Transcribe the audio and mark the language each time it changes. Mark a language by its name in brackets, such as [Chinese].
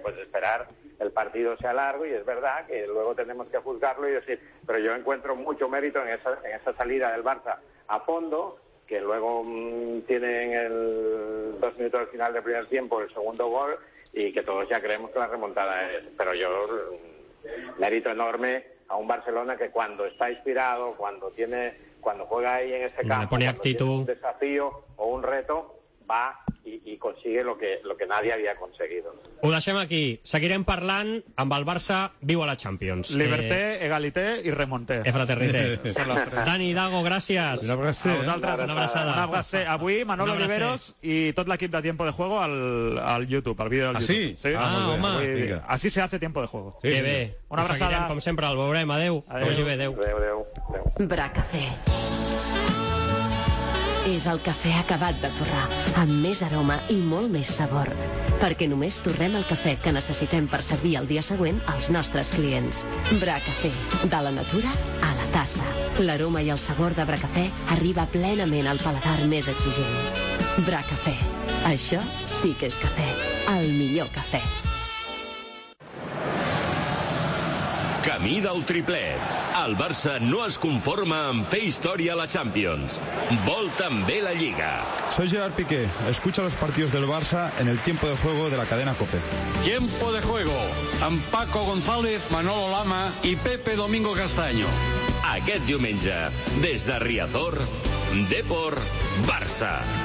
[Spanish] Pues esperar el partido sea largo, y es verdad que luego tenemos que juzgarlo y decir, pero yo encuentro mucho mérito en esa salida del Barça a fondo, que luego tiene en el 2 minutos del final del primer tiempo el segundo gol, y que todos ya creemos que la remontada es, pero yo, mérito enorme a un Barcelona que cuando está inspirado, cuando juega ahí en ese campo, pone actitud, un desafío o un reto, va i consigue lo que nadie había conseguido. [Catalan] Ho deixem aquí. Seguirem parlant amb el Barça viu a la Champions. [French] Liberté, égalité i remonté. E fraternité. [Catalan] Dani, Dago, gràcies. Un abraçó. A vosaltres, una abraçada. Un abraçó. Avui, Manolo Riveros i tot l'equip de Tiempo de Juego al YouTube, al vídeo del YouTube. Ah, sí? Ah, home. [Spanish] Així se hace Tiempo de Juego. [Catalan] Sí, que bé. Una abraçada. Seguirem, com sempre, el veurem. Adéu. Adéu. Adéu. Adéu. Bracafé. És el cafè acabat de torrar, amb més aroma i molt més sabor. Perquè només torrem el cafè que necessitem per servir el dia següent als nostres clients. Bracafé, de la natura a la tassa. L'aroma i el sabor de Bracafé arriba plenament al paladar més exigent. Bracafé, això sí que és cafè, el millor cafè. Camí del triplet. El Barça no es conforma amb fer història a la Champions. Vol també la Lliga. [Spanish] Soy Gerard Piqué. Escucha los partidos del Barça en el Tiempo de Juego de la cadena COPE. [Catalan] Tiempo de Juego. Amb Paco González, Manolo Lama i Pepe Domingo Castaño. Aquest diumenge, des de Riazor, Depor, Barça.